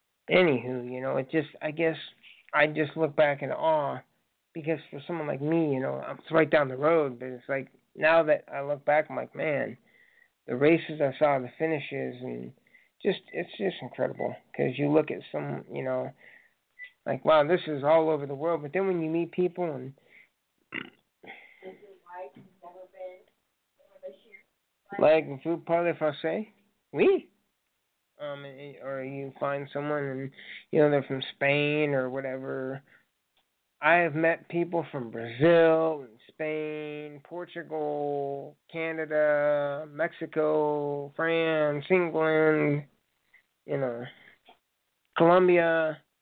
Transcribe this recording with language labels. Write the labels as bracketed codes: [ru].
[en] Anywho, you know, it just, I guess I just look back in awe because for someone like me, you know, it's right down the road, but it's like now that I look back, I'm like, man, the races I saw, the finishes, and just, it's just incredible. Because you look at some, you know, like, wow, this is all over the world. But then when you meet people and... [fr] Like, vous parlez français? Oui. [en] Or you find someone and, you know, they're from Spain or whatever. I have met people from Brazil, Spain, Portugal, Canada, Mexico, France, England, you know, Colombia.